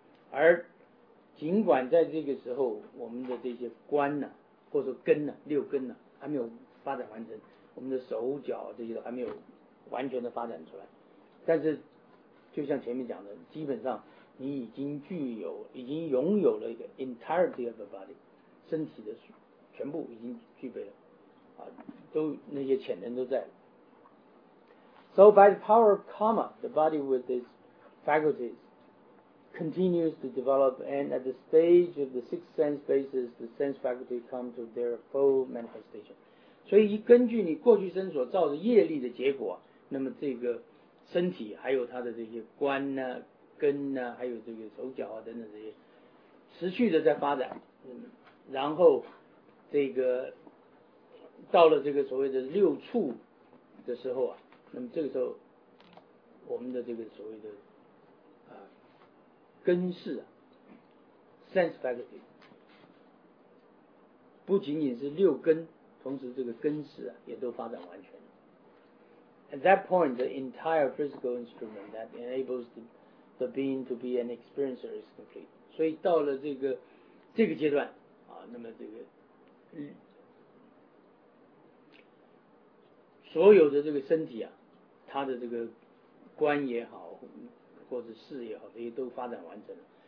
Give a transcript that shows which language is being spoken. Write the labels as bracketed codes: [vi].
[zh] 而尽管在这个时候我们的这些观呢、啊、或者说根呢、啊、六根呢、啊、还没有发展完成，我们的手脚这些都还没有完全的发展出来，但是就像前面讲的，基本上你已经具有已经拥有了一个 [en] entirety of the body, [zh] 身体的全部已经具备了啊，都那些潜能都在了。 [en] So by the power of karma, the body with its facultiescontinues to develop, and at the stage of the sixth sense basis, the sense faculty come to their full manifestation. [zh] 所以根据你过去生所造的业力的结果，那么这个身体还有它的这些观啊、根啊、还有这个手脚啊等等这些持续的在发展、嗯、然后这个到了这个所谓的六触的时候啊，那么这个时候我们的这个所谓的根是 [en] sense faculty, [zh] 不仅仅是六根，同时这个根是、啊、也都发展完全了。 [en] At that point, the entire physical instrument that enables the being to be an experiencer is complete. [zh] 所以到了这个阶段、啊、那么这个、所有的这个身体啊，它的这个观也好或者事也好，这些都发展完成了，